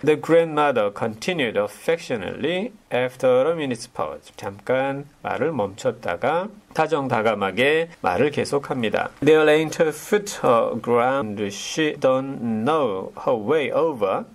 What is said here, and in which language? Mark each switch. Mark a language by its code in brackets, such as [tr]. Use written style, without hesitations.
[en] The grandmother continued affectionately after a minute's pause. [ko] 잠깐 말을 멈췄다가 다정다감하게 말을 계속합니다. [en] There ain't a foot of ground she don't know her way over.